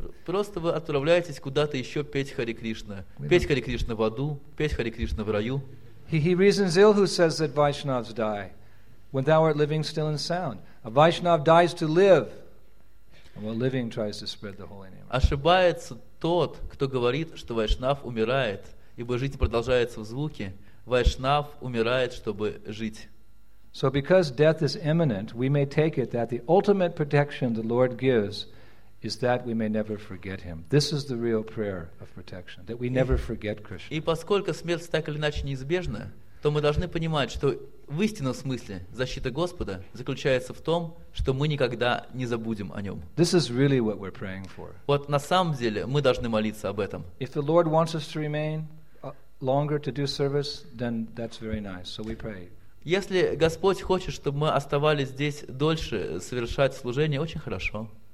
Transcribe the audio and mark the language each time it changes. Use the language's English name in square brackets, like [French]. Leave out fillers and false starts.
[Russian] Просто вы отправляетесь куда-то еще петь Хари Кришна, петь Хари Кришна в аду, петь Хари Кришна в раю. [English] He reasons ill who says that Vaishnavas die, when thou art living still and sound. A Vaishnav dies to live, and while living tries to spread the holy name. [Russian] Ошибается тот, кто говорит, что Вайшнав умирает, ибо жизнь продолжается в звуке. Вайшнав умирает, чтобы жить. [English] So because death is imminent, we may take it that the ultimate protection the Lord gives is that we may never forget Him. This is the real prayer of protection, that we never forget Krishna. [Russian] И поскольку смерть так или иначе неизбежна, то мы должны понимать, что в истинном смысле защита Господа заключается в том, что мы никогда не забудем о Нем. [English] This is really what we're praying for. [Russian] Вот на самом деле мы должны молиться об этом. [English] If the Lord wants us to remain longer to do service, then that's very nice. So we pray. [Russian] Если Господь хочет, чтобы мы оставались здесь дольше, совершать служение, очень хорошо.